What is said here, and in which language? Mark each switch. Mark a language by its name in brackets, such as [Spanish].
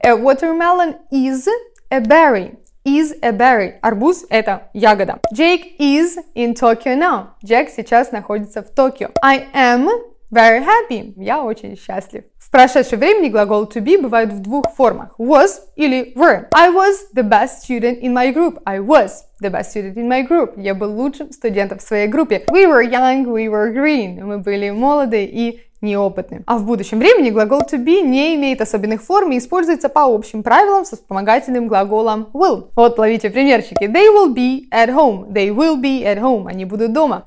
[English] A watermelon is a berry. Is a berry. [Russian] Арбуз – это ягода. [English] Jake is in Tokyo now. [Russian] Jack сейчас находится в Токио. [English] I am very happy. [Russian] Я очень счастлив. В прошедшем времени глагол to be бывает в двух формах. [English] Was или were. I was the best student in my group. I was the best student in my group. [Russian] Я был лучшим студентом в своей группе. [English] We were young, we were green. [Russian] Мы были молоды и неопытны. А в будущем времени глагол to be не имеет особенных форм и используется по общим правилам со вспомогательным глаголом will. Вот ловите примерчики. [English] They will be at home. They will be at home. [Russian] Они будут дома.